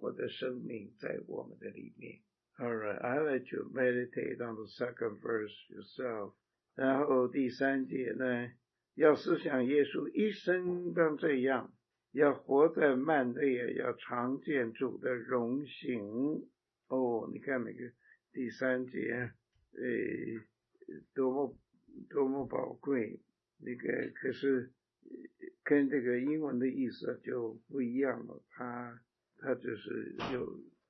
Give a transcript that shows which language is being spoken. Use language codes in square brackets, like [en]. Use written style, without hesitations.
[zh] 可是他的死很少人知道，他的复活很少人相信，可是很少人经历。也就是说，当我们要经历到他的死的时候，一定会经历他的复活，因为我们能够向自己死，那是因着我们认识了他那个复活的大能，复活的生命在我们的里面。 [en] Alright, I let you meditate on the second verse yourself. [zh] 然后第三节呢，要思想耶稣一生当这样，要活在幔内，要常见主的荣幸。哦，你看那个第三节，多么宝贵！那个可是跟这个英文的意思就不一样了，它就是有。